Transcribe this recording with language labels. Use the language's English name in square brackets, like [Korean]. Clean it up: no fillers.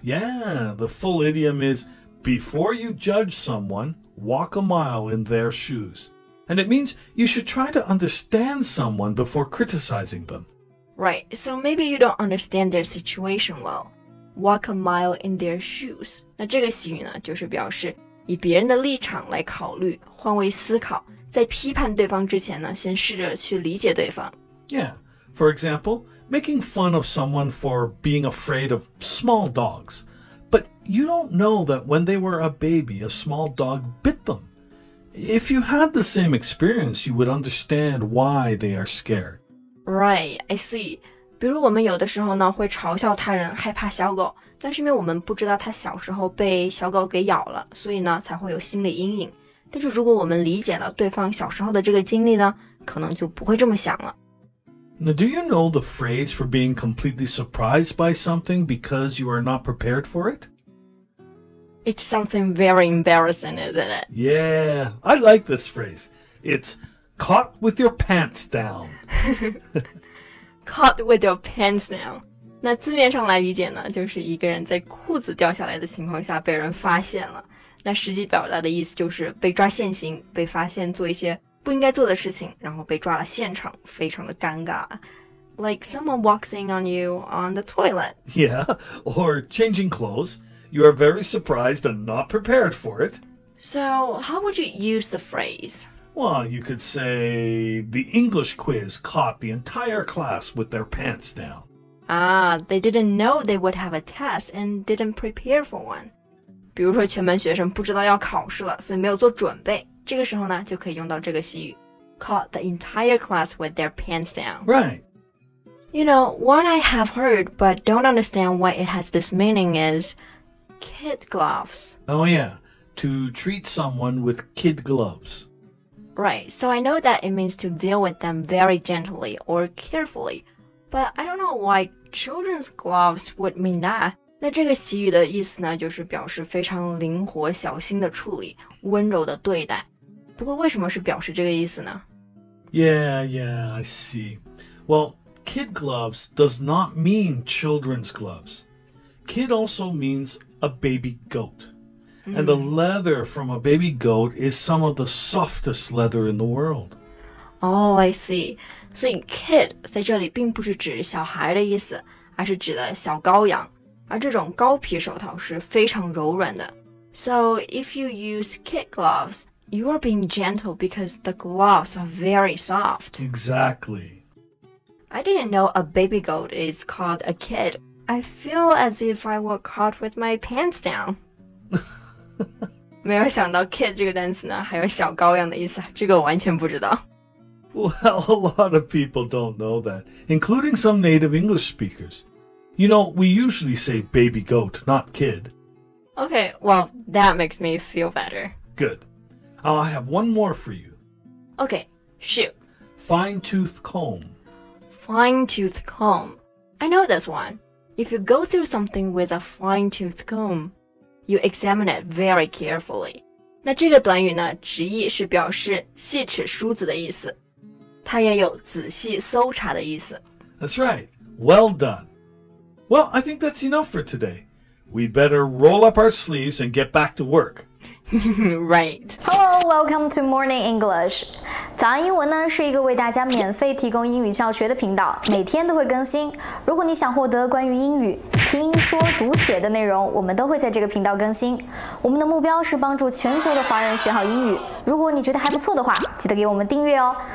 [English] Yeah, the full idiom is before you judge someone, walk a mile in their shoes. And it means you should try to understand someone before criticizing them. Right, so maybe you don't understand their situation well. Walk a mile in their shoes. [Chinese] 那这个习语呢就是表示以别人的立场来考虑换位思考在批判对方之前呢先试着去理解对方。 [English] Yeah, for example, making fun of someone for being afraid of small dogs. But you don't know that when they were a baby, a small dog bit them. If you had the same experience, you would understand why they are scared. Right, I see. [Chinese] 比如我们有的时候呢会嘲笑他人害怕小狗但是因为我们不知道他小时候被小狗给咬了所以呢才会有心理阴影。但是如果我们理解了对方小时候的这个经历呢可能就不会这么想了。 [English] Now, do you know the phrase for being completely surprised by something because you are not prepared for it? It's something very embarrassing, isn't it? Yeah, I like this phrase. It's caught with your pants down. caught with your pants down. [Chinese] 那字面上来理解呢就是一个人在裤子掉下来的情况下被人发现了。那实际表达的意思就是被抓现行被发现做一些不应该做的事情然后被抓了现场非常的尴尬。 [English] like someone walks in on you on the toilet. Yeah, or changing clothes. You are very surprised and not prepared for it. So, how would you use the phrase? Well, you could say, the English quiz caught the entire class with their pants down. Ah, they didn't know they would have a test and didn't prepare for one. [Chinese] 比如说全班学生不知道要考试了，所以没有做准备。这个时候呢，就可以用到这个习语。 [English] Caught the entire class with their pants down. Right. You know, what I have heard but don't understand why it has this meaning is kid gloves. Oh yeah, to treat someone with kid gloves. Right, so I know that it means to deal with them very gently or carefully, but I don't know why children's gloves would mean that. [Chinese] 那这个习语的意思呢，就是表示非常灵活、小心的处理、温柔的对待。不过为什么是表示这个意思呢? [English] Yeah, yeah, I see. Well, kid gloves does not mean children's gloves. Kid also means a baby goat. And the leather from a baby goat is some of the softest leather in the world. Oh, I see. [Chinese] 所以 kid 在这里并不是指小孩的意思，而是指的小羔羊。而这种羔皮手套是非常柔软的。 [English] So, if you use kid gloves,You are being gentle because the gloves are very soft. Exactly. I didn't know a baby goat is called a kid. I feel as if I were caught with my pants down. [Chinese] 没有想到 kid 这个单词呢，还有小羔羊的意思，这个我完全不知道。 [English] Well, a lot of people don't know that, including some native English speakers. You know, we usually say baby goat, not kid. Okay, well, that makes me feel better. Good. I have one more for you. Okay, shoot. Fine-tooth comb. Fine-tooth comb. I know this one. If you go through something with a fine-tooth comb, you examine it very carefully. [Chinese] 那这个短语呢，直译是表示细齿梳子的意思。它也有仔细搜查的意思。 [English] That's right. Well done. Well, I think that's enough for today. We better roll up our sleeves and get back to work. Right. Hello, welcome to Morning English. [Chinese] 早安英文呢是一个为大家免费提供英语教学的频道，每天都会更新。如果你想获得关于英语听说读写的内容，我们都会在这个频道更新。我们的目标是帮助全球的华人学好英语。如果你觉得还不错的话，记得给我们订阅哦。